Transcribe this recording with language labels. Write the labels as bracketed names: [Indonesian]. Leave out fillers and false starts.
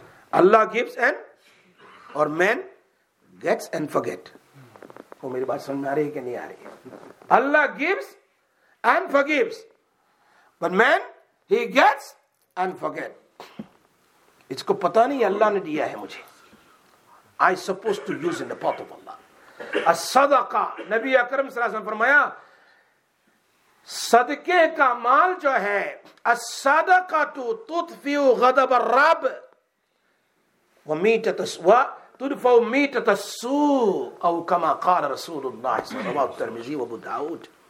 [English] Allah gives and اور man gets and forget. [Urdu] وہ میری بات سمجھ آ رہی ہے کہ نہیں آ رہی ہے؟ اللہ [English] gives and forgives but man he gets and forget. [Urdu] اس کو پتا نہیں اللہ نے دیا ہے مجھے. [English] I supposed to use in the path of Allah. [Urdu] الصدقہ, نبی اکرم صلی اللہ علیہ وسلم فرمایا صدقے کا مال جو ہے [Arabic] الصدقۃ تطفئ غضب الرب ومیتت السوء [Urdu] او کما قال رسول اللہ صلی اللہ علیہ وسلم ترمذی و ابو داؤد.